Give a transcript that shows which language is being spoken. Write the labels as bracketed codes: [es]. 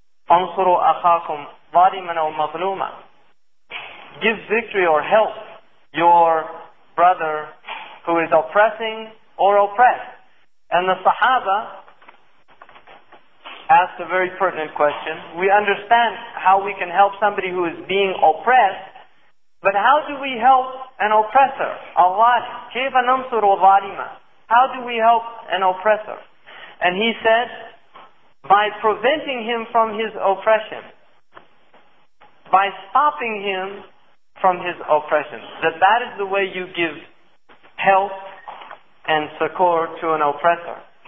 [ar] Ansuru akhakum zaliman aw mazluma. [en] Give victory or help your brother who is oppressing or oppressed. And the Sahaba asked a very pertinent question. We understand how we can help somebody who is being oppressed, but how do we help an oppressor? [ar] Allah, كيف ننصر الظالم? [en] How do we help an oppressor? And he said, by preventing him from his oppression, by stopping him from his oppression. That is the way you give help and succor to an oppressor.